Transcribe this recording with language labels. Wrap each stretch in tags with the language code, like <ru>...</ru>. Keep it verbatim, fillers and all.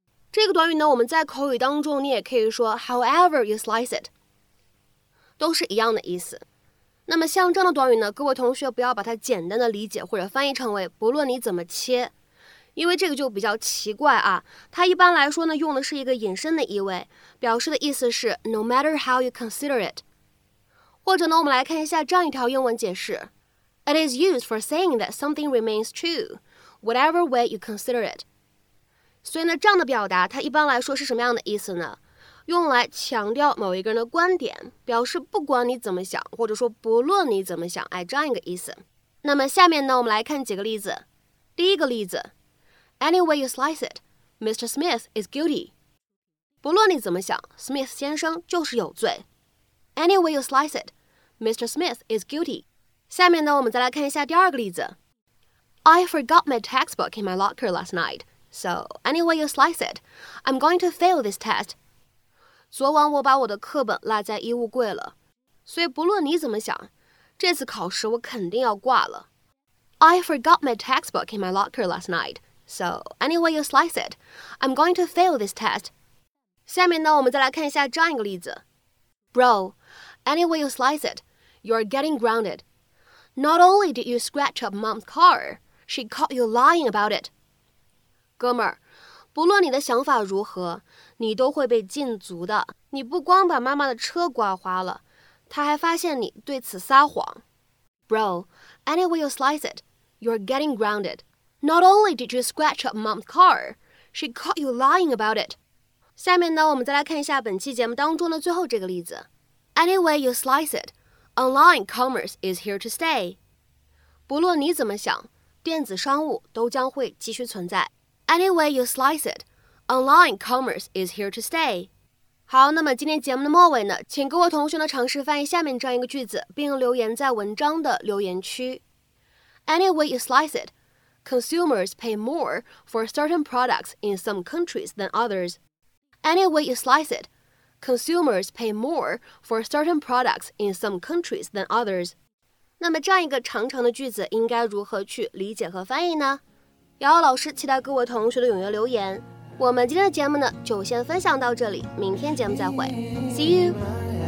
<zh>这个短语呢，我们在口语当中你也可以说</zh> <en>however you slice it，</en> <zh>都是一样的意思。那么像这样的短语呢，各位同学不要把它简单的理解或者翻译成为不论你怎么切。因为这个就比较奇怪啊，它一般来说呢用的是一个引申的意味，表示的意思是</zh> <en>no matter how you consider it。</en> <zh>或者呢，我们来看一下这样一条英文解释</zh> <en>：It is used for saying that something remains true, whatever way you consider it。</en> <zh>所以呢，这样的表达它一般来说是什么样的意思呢？用来强调某一个人的观点，表示不管你怎么想，或者说不论你怎么想，哎，这样一个意思。那么下面呢，我们来看几个例子。第一个例子。</zh> <en>Any way you slice it, Mister Smith is guilty.</en> <zh>不论你怎么想 ，Smith 先生就是有罪。</zh> <en>Any way you slice it, Mister Smith is guilty.</en> <zh>下面呢，我们再来看一下第二个例子。</zh> <en>I forgot my textbook in my locker last night, so any way you slice it, I'm going to fail this test.</en> <zh>昨晚我把我的课本落在衣物柜了，所以不论你怎么想，这次考试我肯定要挂了。</zh> <en>I forgot my textbook in my locker last night, so any way you slice it, I'm going to fail this test.</en> <zh>下面呢，我们再来看一下这样一个例子。</zh> <en>Bro, any way you slice it, you're getting grounded. Not only did you scratch up mom's car, she caught you lying about it.</en> <zh>哥们儿，不论你的想法如何，你都会被禁足的。你不光把妈妈的车刮花了，她还发现你对此撒谎。</zh> <en>Bro, any way you slice it, you're getting grounded. Not only did you scratch up mom's car, she caught you lying about it.</en> <zh>下面呢，我们再来看一下本期节目当中的最后这个例子。</zh> <en>Any way you slice it, online commerce is here to stay.</en> <zh>不论你怎么想，电子商务都将会继续存在。</zh> <en>Any way you slice it, online commerce is here to stay.</en> <zh>好，那么今天节目的末尾呢，请各位同学呢尝试翻译下面这样一个句子，并留言在文章的留言区。</zh> <en>Any way you slice it, consumers pay more for certain products in some countries than others. Any way you slice it, consumers pay more for certain products in some countries than others.</en> <zh>那么这样一个长长的句子应该如何去理解和翻译呢？瑶瑶老师期待各位同学的踊跃留言。我们今天的节目呢，就先分享到这里，明天节目再会 ，</zh> <en>See you。</en>